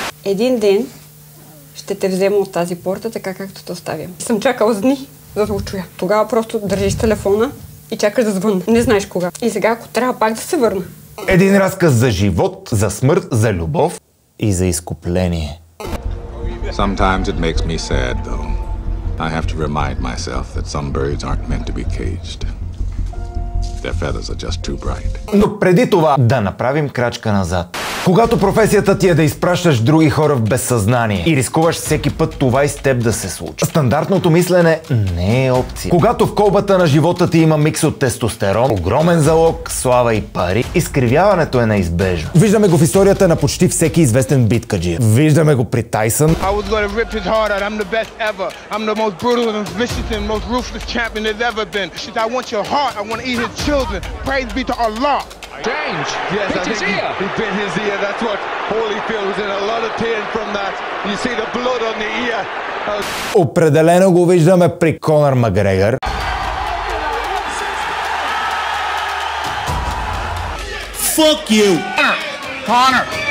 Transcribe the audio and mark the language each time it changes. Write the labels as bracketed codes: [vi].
[bg] Един ден ще те взема от тази порта, така както те оставям. Съм чакал с дни, за да го чуя. Тогава просто държиш телефона и чакаш да звънна. Не знаеш кога. И сега, ако трябва, пак да се върна. Един разказ за живот, за смърт, за любов и за изкупление. [en] Sometimes it makes me sad, though. I have to remind myself that some birds aren't meant to be caged. Their feathers are just too bright. [bg] Но преди това, да направим крачка назад. Когато професията ти е да изпращаш други хора в безсъзнание и рискуваш всеки път това и с теб да се случи. Стандартното мислене не е опция. Когато в колбата на живота ти има микс от тестостерон, огромен залог, слава и пари, изкривяването е неизбежно. Виждаме го в историята на почти всеки известен биткаджи. Виждаме го при Тайсън. [en] I was gonna rip his heart out. I'm the best ever. I'm the most brutal and vicious and most ruthless champion there's ever been. Shit, I want your heart. I want to eat his children. Praise be to Allah. Change. Yes, I think he bit his ear. That's what Holyfield was in a lot of pain from that. You see the blood on the ear. [bg] Определено го виждаме при Конор Макгрегор. [en] Fuck you, Conor.